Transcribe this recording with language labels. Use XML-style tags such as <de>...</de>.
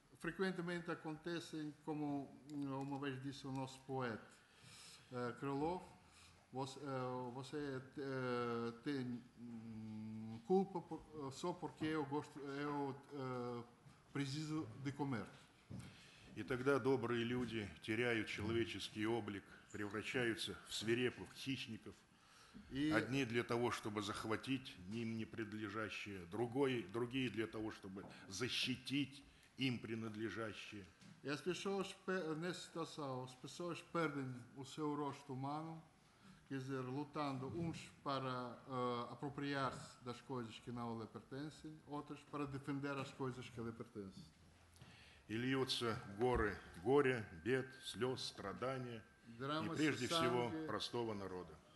<pt>frequentemente acontecem, como uma vez disse o nosso poeta Krylov, você tem culpa só porque eu gosto, eu preciso de comer.</pt> <ru>И тогда добрые люди теряют человеческий облик, превращаются в свирепых хищников, одни для того, чтобы захватить им не принадлежащее, другие для того, чтобы защитить им принадлежащее.</ru> <pt>И as pessoas nessa situação, as pessoas perdem o seu rosto humano, quer dizer, lutando uns para apropriar-se das coisas que não lhe pertencem, outros para defender as coisas que lhe pertencem.</pt> <ru>И льются горы горя, бед, слез, страдания, драма и прежде санге, всего простого народа.</ru>